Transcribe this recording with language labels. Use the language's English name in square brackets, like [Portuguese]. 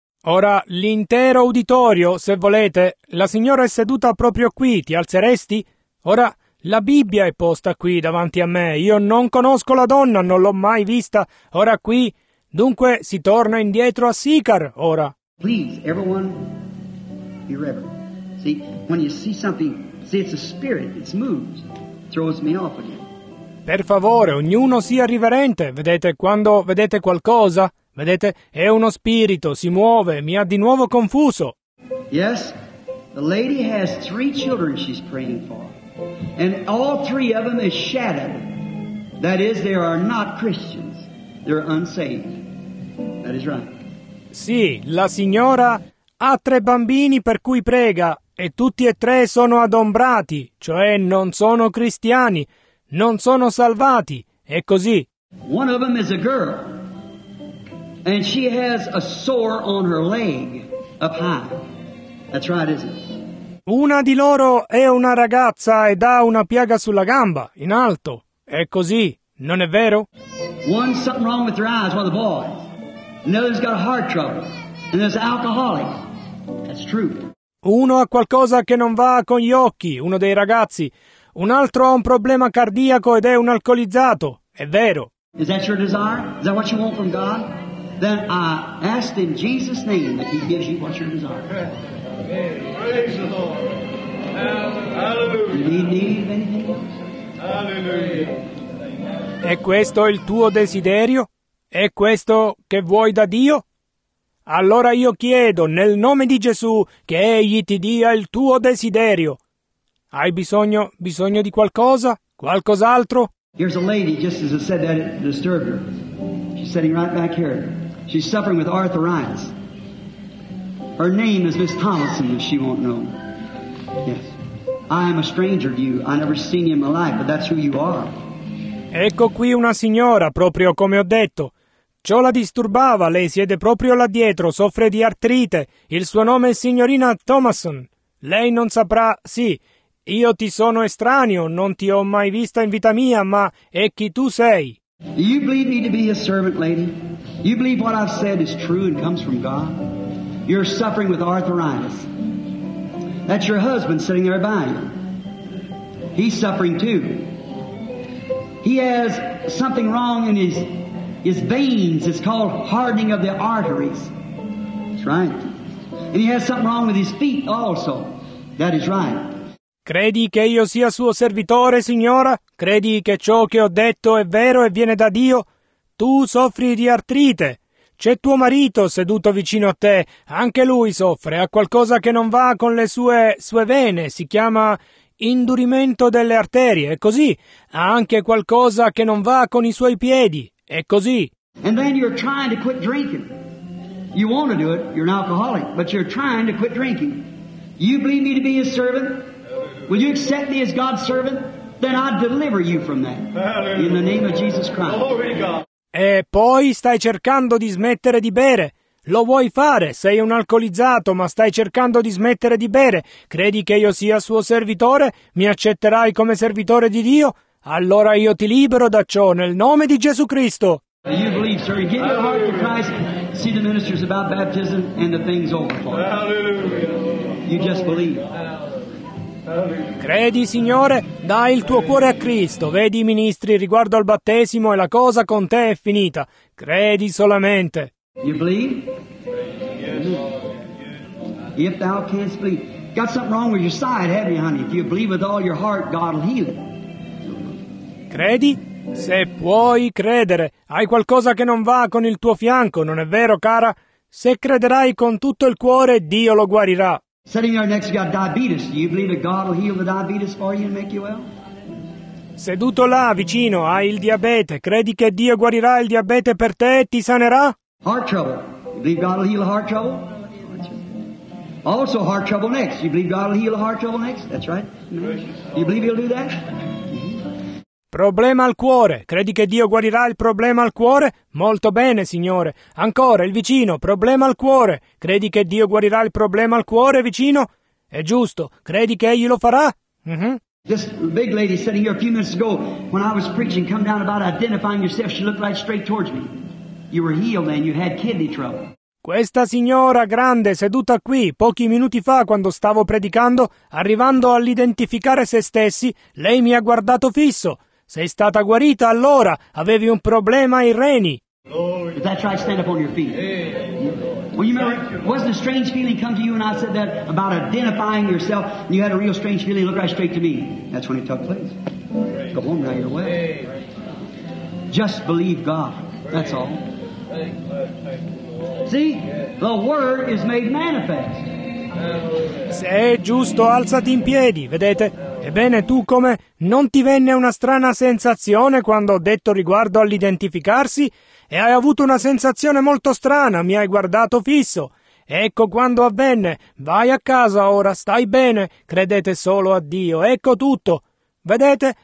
[Italian] Ora, l'intero auditorio, se volete, la signora è seduta proprio qui, ti alzeresti? Ora, la Bibbia è posta qui davanti a me, io non conosco la donna, non l'ho mai vista, ora qui, dunque si torna indietro a Sychar, ora. [English] Please, everyone, be reverent. See, when you see something, see, it's a spirit, it's moves, throws me off again. [Italian] Per favore, ognuno sia riverente, vedete, quando vedete qualcosa... Vedete, è uno spirito, si muove, mi ha di nuovo confuso. [English] Yes, the lady has three children she's praying for, and all three of them is shadowed. That is, they are not Christians, they're unsaved. That is right. [Italian] Sì, la signora ha tre bambini per cui prega, e tutti e tre sono adombrati, cioè non sono cristiani, non sono salvati, è così. [English] One of them is a girl. And she has a sore on her leg up high. That's right, isn't it? [Italian] Una di loro è una ragazza ed ha una piaga sulla gamba, in alto. È così, non è vero? [English] One's something wrong with her eyes, one of the boys. Another's got a heart trouble. And there's an alcoholic. That's true. [Italian] Uno ha qualcosa che non va con gli occhi, uno dei ragazzi. Un altro ha un problema cardiaco ed è un alcolizzato. È vero. [English] Is that your desire? Is that what you want from God? Then I ask in Jesus' name that he gives you what you desire. Praise the Lord. Hallelujah. You need anything else? Hallelujah. [Italian] È questo il tuo desiderio? È questo che vuoi da Dio? Allora io chiedo, nel nome di Gesù, che egli ti dia il tuo desiderio. Hai bisogno di qualcosa? Qualcos'altro? [English] Here's a lady, just as I said that, it disturbed her. She's sitting right back here. She's suffering with arthritis. Her name is Miss Thomason, if she won't know. Yes. I am a stranger to you. I never seen you in my life, but that's who you are. [Italian] Ecco qui una signora, proprio come ho detto. Ciò la disturbava, lei siede proprio là dietro, soffre di artrite. Il suo nome è signorina Thomason. Lei non saprà, sì, io ti sono estraneo, non ti ho mai vista in vita mia, ma è chi tu sei. [English] Do you believe me to be his servant, lady? You believe what I've said is true and comes from God? You're suffering with arthritis. That's your husband sitting there by you. He's suffering too. He has something wrong in his veins. It's called hardening of the arteries. That's right. And he has something wrong with his feet also. That is right. [Italian] Credi che io sia suo servitore, signora? Credi che ciò che ho detto è vero e viene da Dio? Tu soffri di artrite. C'è tuo marito seduto vicino a te. Anche lui soffre. Ha qualcosa che non va con le sue vene. Si chiama indurimento delle arterie. È così. Ha anche qualcosa che non va con i suoi piedi. È così. [English] And then you're trying to quit drinking. You want to do it. You're an alcoholic. But you're trying to quit drinking. You believe me to be his servant? Will you accept me as God's servant? Then I deliver you from that. In the name of Jesus Christ. Glory to God. [Italian] E poi stai cercando di smettere di bere. Lo vuoi fare? Sei un alcolizzato, ma stai cercando di smettere di bere. Credi che io sia suo servitore? Mi accetterai come servitore di Dio? Allora io ti libero da ciò nel nome di Gesù Cristo. [English] You believe, sir. Give your heart to Christ. See the ministers about baptism and the things over for you. You just believe. [Italian] Credi, Signore, dai il tuo cuore a Cristo, vedi i ministri riguardo al battesimo e la cosa con te è finita. Credi solamente. [English] You believe? Yes. If thou canst believe. Got something wrong with your side, have you, honey? If you believe with all your heart, God will heal it. [Italian] Credi? Se puoi credere, hai qualcosa che non va con il tuo fianco, non è vero, cara? Se crederai con tutto il cuore, Dio lo guarirà. [English] Sitting there next to you got diabetes. Do you believe that God will heal the diabetes for you and make you well? [Italian] Seduto là, vicino, hai il diabete. Credi che Dio guarirà il diabete per te e ti sanerà? [English] Heart trouble. You believe God will heal heart trouble? Also heart trouble next. You believe God will heal heart trouble next? That's right. You believe he'll do that? [Italian] Problema al cuore. Credi che Dio guarirà il problema al cuore? Molto bene, signore. Ancora, il vicino. Problema al cuore. Credi che Dio guarirà il problema al cuore, vicino? È giusto. Credi che egli lo farà? [English] This big lady sitting here a few minutes ago, when I was preaching, come down about identifying yourself, she looked right straight towards me. You were healed, man. You had kidney trouble. [Italian] Questa signora grande seduta qui pochi minuti fa quando stavo predicando, arrivando all'identificare se stessi, lei mi ha guardato fisso. Sei stata guarita allora, avevi un problema ai reni. [English] If that's right, stand up on your feet. Well, you remember, wasn't a strange feeling come to you when I said that about identifying yourself, and you had a real strange feeling, look right straight to me. That's when it took place. Go home now, you're away. Just believe God, that's all. See, the word is made manifest. [Italian] Se è giusto, alzati in piedi, vedete? Ebbene, tu come? Non ti venne una strana sensazione quando ho detto riguardo all'identificarsi? E hai avuto una sensazione molto strana, mi hai guardato fisso. Ecco quando avvenne. Vai a casa ora, stai bene, credete solo a Dio, ecco tutto. Vedete?